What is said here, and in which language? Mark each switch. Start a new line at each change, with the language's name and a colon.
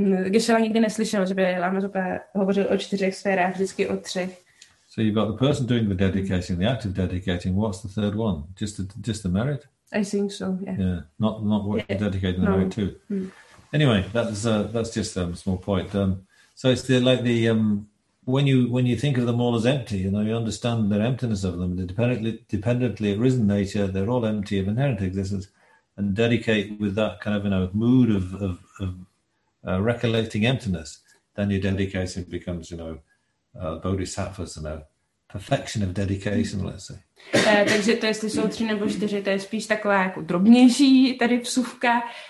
Czech: Geshe-la nikdy neslyšel, že by Lama Zopa hovořil o čtyřech sférách, vždycky o třech.
English: So you've got the person doing the dedicating, the act of dedicating. What's the third one? Just the merit? I think so, yeah. Yeah, not what you're dedicating the merit to. Mm. Anyway, that's just a small point. So it's the, like the... When you think of them all as empty, you know, you understand their emptiness of them, the dependently arisen nature, they're all empty of inherent existence, and dedicate with that kind of, you know, mood of recollecting emptiness, then your dedication becomes, you know, bodhisattvas, you know, perfection of dedication, let's say.
Czech: Takže to, jestli jsou tři nebo čtyři, to je spíš taková jako drobnější tady vsuvka.